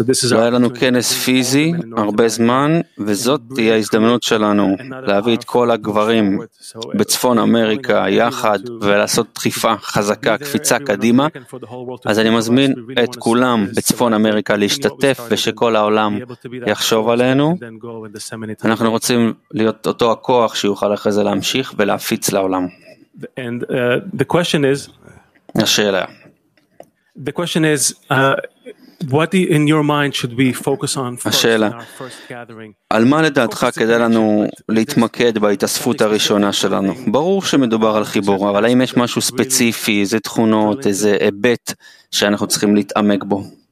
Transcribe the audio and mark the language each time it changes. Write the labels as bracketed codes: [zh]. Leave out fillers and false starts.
[he] לא היה לנו כנס פיזי הרבה זמן, וזאת תהיה ההזדמנות שלנו להביא את כל הגברים בצפון אמריקה יחד ולעשות דחיפה חזקה, קפיצה קדימה. אז אני מזמין את כולם בצפון אמריקה להשתתף, ושכל העולם יחשוב עלינו. אנחנו רוצים להיות אותו הכוח שיוכל אחרי זה להמשיך ולהפיץ לעולם. [en] And the question is [he] השאלה. [en] The question is what do you, in your mind should we focus on first [he] השאלה. [en] In our first gathering [he] על מה לדעתך כדאי לנו להתמקד בהתאספות הראשונה שלנו? ברור שמדובר על חיבור, אבל האם יש משהו ספציפי, איזה תכונות, איזה היבט שאנחנו צריכים להתעמק בו?